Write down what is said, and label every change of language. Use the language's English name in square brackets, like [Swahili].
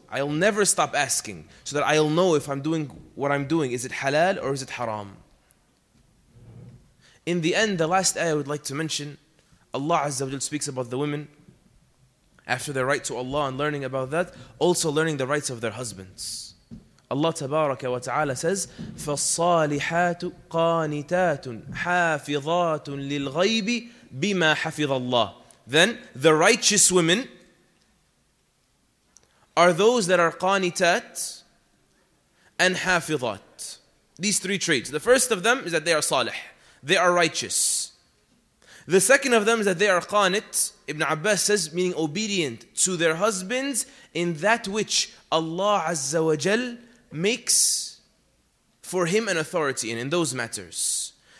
[English] I'll never stop asking so that I'll know if I'm doing what I'm doing. Is it halal or is it haram? In the end, the last ayah I would like to mention, Allah Azza wa Jalla speaks about the women after their right to Allah and learning about that, also learning the rights of their husbands. Allah Tabaraka wa Ta'ala says, [Arabic] فَالصَّالِحَاتُ قَانِتَاتٌ حَافِظَاتٌ لِلْغَيْبِ بِمَا حَفِظَ اللَّهِ. [English] Then the righteous women are those that are qanitat and hafidat. These three traits. The first of them is that they are salih. They are righteous. The second of them is that they are qanit. Ibn Abbas says, meaning obedient to their husbands in that which Allah Azza wa Jal makes for him an authority in those matters.